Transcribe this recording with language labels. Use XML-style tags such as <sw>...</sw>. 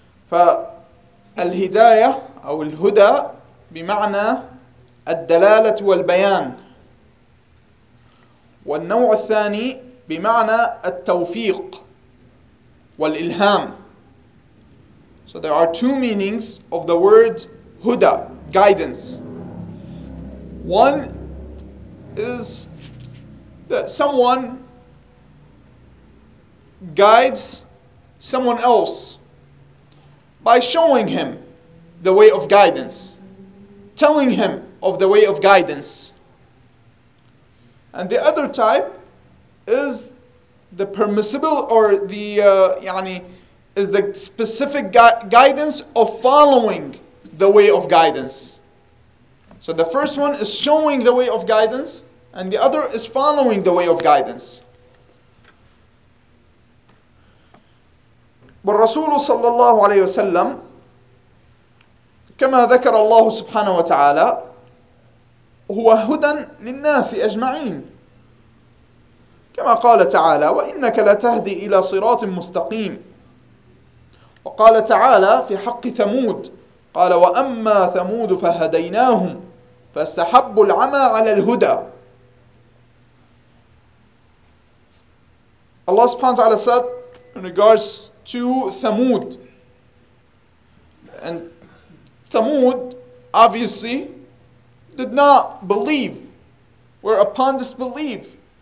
<ar>فالهداية أو الهدى بمعنى الدلالة والبيان، والنوع الثاني بمعنى التوفيق والإلهام.</ar> <en>So there are two meanings of the word huda, guidance. One is that someone guides someone else by showing him the way of guidance, telling him of the way of guidance. And the other type is the permissible or the is the specific guidance of following the way of guidance. So the first one is showing the way of guidance and the other is following the way of guidance.</en> <ar>والرسول صلى الله عليه وسلم كما ذكر الله سبحانه وتعالى هو هدى للناس أجمعين كما قال تعالى وإنك لتهدي إلى صراط مستقيم وقال تعالى في حق ثمود قال وأما ثمود فهديناهم فاستحبوا العمى على الهدى.</ar> <en>الله سبحانه وتعالى said in regards to Thamud, and Thamud obviously did not believe, were upon disbelief.</en>